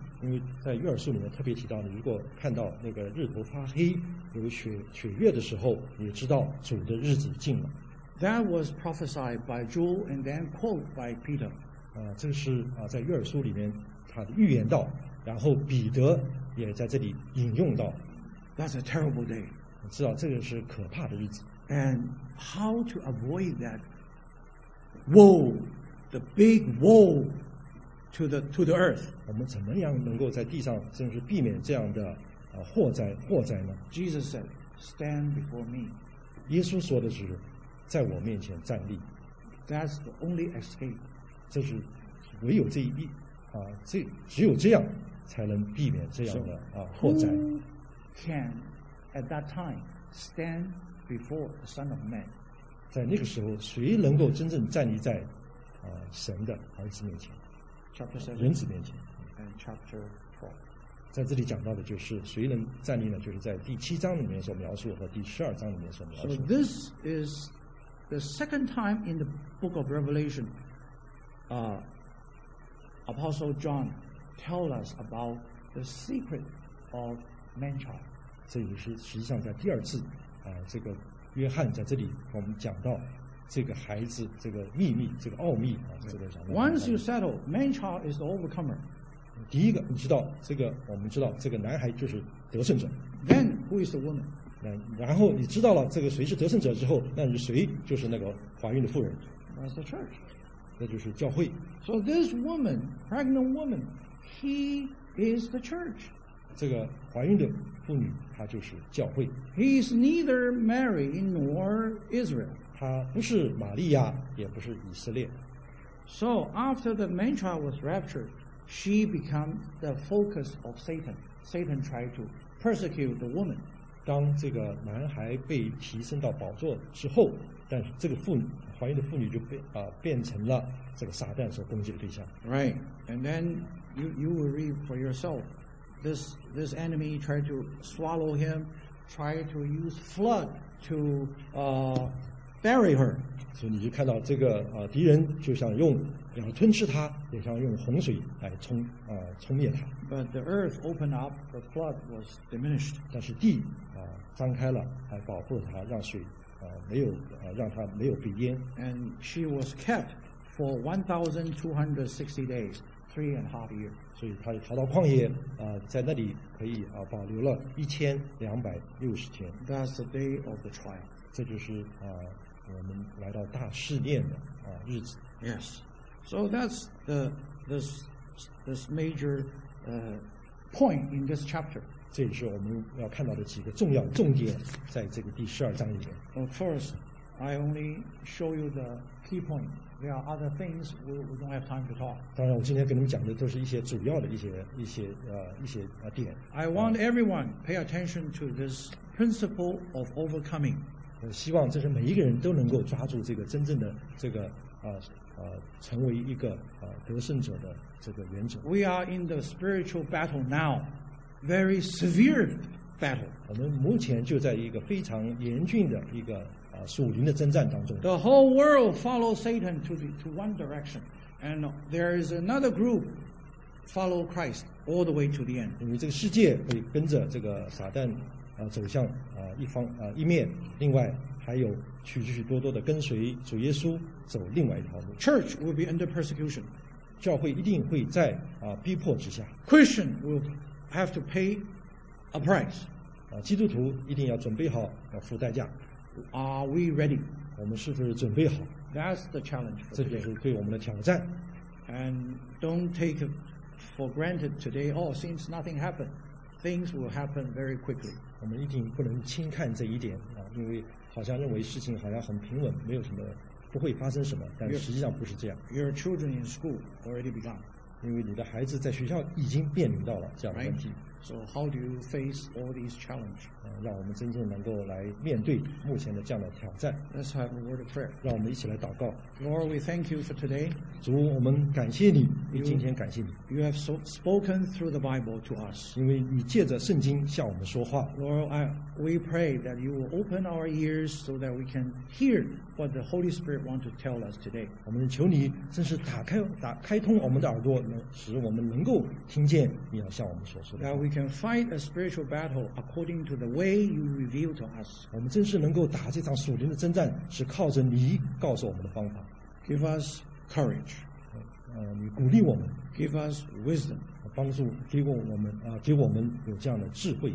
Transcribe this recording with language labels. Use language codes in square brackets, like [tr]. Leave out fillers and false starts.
[zh] 因为在约珥书里面特别提到你如果看到那个日头发黑有血月的时候你知道主的日子近了 [en] That was prophesied by Joel and then quoted by Peter. [zh] 这是在约珥书里面他预言到然后彼得也在这里引用到。 [en] That's a terrible day. [zh] 你知道这个是可怕的日子。 [en] And how to avoid that woe, the big woe to the earth? [zh] 我们怎么样能够在地上甚至避免这样的祸灾呢 [en] ？Jesus said, "Stand before me." [zh] 耶稣说的是，在我面前站立。 [en] That's the only escape. [zh] 这是唯有这一避啊，这只有这样才能避免这样的啊祸灾。 [en] Who can at that time stand before the Son of Man? [zh] 在那个时候，谁能够真正站立在啊神的儿子面前？ [en] Chapter 7, [zh] 人子面前。 [en] And chapter 4. [zh] 在这里讲到的就是谁能站立呢？就是在第七章里面所描述和第十二章里面所描述。 [en] So this is the second time in the Book of Revelation, Apostle John tells us about the secret of man-child. [zh] 这也是实际上在第二次，这个约翰在这里我们讲到这个孩子这个秘密这个奥秘啊，这个讲到。 [en] Once you settle, man-child is the overcomer. [zh] 第一个，你知道这个，我们知道这个男孩就是得胜者。 [en] Then who is the woman? [zh] 然后你知道了这个谁是得胜者之后，那谁就是那个怀孕的妇人。 [en] That's the church. [zh] 那就是教会。 [en] So this woman, pregnant woman, she is the church. [zh] 这个怀孕的妇女，她就是教会。 [en] He is neither Mary nor Israel. [zh] 她不是玛利亚，也不是以色列。 [en] So after the man child was raptured, she became the focus of Satan. Satan tried to persecute the woman. [zh] 当这个男孩被提升到宝座之后，但是这个妇女。怀孕的妇女就变成了这个撒旦所攻击的对象。 [en] Right, and then you will read for yourself. This enemy tried to swallow him, tried to use flood to bury her. [zh] 所以你就看到这个敌人就想用想吞噬他，也想用洪水来冲灭他。 [en] But the earth opened up, the flood was diminished. [zh] 但是地张开了，还保护了他，让水。没有让他没有被淹。 [en] And she was kept for 1260 days, 3.5 years. [zh] 所以他逃到旷野，在那里可以保留了1260天。 [en] That's the day of the trial. [zh] 这就是我们来到大试炼的日子。 [en] Yes. So that's this major point in this chapter. [zh] 这也是我们要看到的几个重要重点，在这个第十二章里面。 [en] Well, first, I only show you the key point. There are other things we don't have time to talk. [zh] 当然，我今天跟你们讲的都是一些主要的一些点。 [en] I want everyone pay attention to this principle of overcoming. [zh] 我希望这是每一个人都能够抓住这个真正的这个成为一个得胜者的这个原则。 [en] We are in the spiritual battle now, very severe. [zh] 我们目前就在一个非常严峻的一个属灵的征战当中。 [en] The whole world follows Satan to one direction, and there is another group follow Christ all the way to the end. [zh] 因为这个世界会跟着这个撒旦走向一方一面，另外还有许多多的跟随主耶稣走另外一条路。 [en] Church will be under persecution. [zh] 教会一定会在逼迫之下。 [en] Christian will have to pay. A price. [zh] 基督徒一定要准备好要付代价。 [en] Are we ready? [zh] 我们是不是准备好？ [en] That's the challenge. [zh] 这就是对我们的挑战。 [en] And don't take for granted today. Oh, since nothing happened, things will happen very quickly. [zh] 我们一定不能轻看这一点因为好像认为事情好像很平稳，没有什么不会发生什么，但实际上不是这样。 [en] Your children in school already begun. [zh] 因为你的孩子在学校已经面临到了这样的问题。 [en] Right? So how do you face all these challenges? [zh] 让我们真正能够来面对目前的这样的挑战。 [en] Let's have a word of prayer. [zh] 让我们一起来祷告。 [en] Lord, we thank you for today. [zh] 主，我们感谢你，你今天感谢你。 [en] You have spoken through the Bible to us. [zh] 因为你借着圣经向我们说话。 [en] Lord, we pray that you will open our ears so that we can hear what the Holy Spirit wants to tell us today. [zh] 我们求你真是打开通我们的耳朵，使我们能够听见你要向我们所说的。 [en] We can fight a spiritual battle according to the way you reveal to us. [zh] 我们真是能够打这场属灵的征战，是靠着你告诉我们的方法。 [en] Give us courage. [zh] 你鼓励我们 [en] ，give us wisdom， [zh] 帮助给我们有这样的智慧